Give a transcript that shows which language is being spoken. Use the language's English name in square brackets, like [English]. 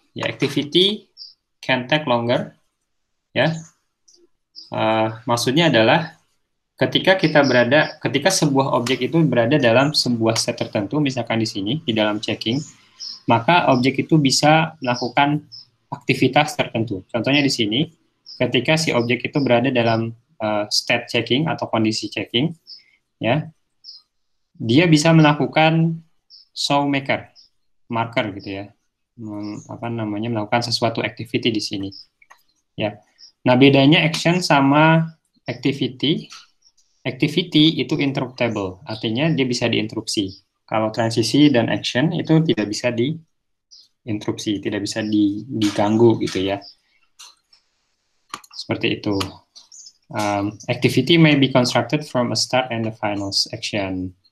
[Indonesian] Ya, [English] activity can take longer. [Indonesian] Ya. Maksudnya adalah ketika sebuah objek itu berada dalam sebuah set tertentu, misalkan di sini, di dalam checking, maka objek itu bisa melakukan aktivitas tertentu. Contohnya di sini, ketika si objek itu berada dalam state checking atau kondisi checking, ya, dia bisa melakukan show maker, marker gitu ya, apa namanya, melakukan sesuatu activity di sini. Ya. Nah, bedanya action sama activity, activity itu interruptible, artinya dia bisa diinterupsi. Kalau transisi dan action itu tidak bisa diinterupsi, tidak bisa diganggu gitu ya. Seperti itu. [English] Activity may be constructed from a start and a final action.